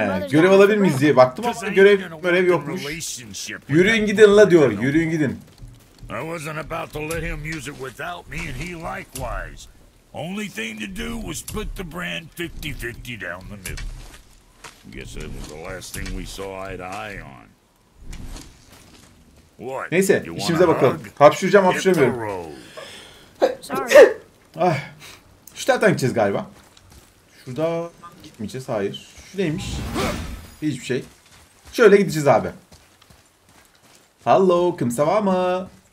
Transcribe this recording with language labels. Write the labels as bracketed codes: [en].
[tr] Görev alabilir miyiz diye baktım ama görev yokmuş. Yürüyün gidin la diyor. Yürüyün gidin. [en] I wasn't about to let him use it without me and he likewise. Only thing to do was put the brand 50-50 down the middle. Guess it was the last thing we saw eye to eye on. [tr] What? Neyse, işimize bakalım. Hapşıracağım, hapşıramıyorum. Ah. Şuradan gideceğiz galiba. Şurada gitmeyeceğiz, hayır. Şuradaymış. Hiçbir şey. Şöyle gideceğiz abi. Hello, kimse var mı?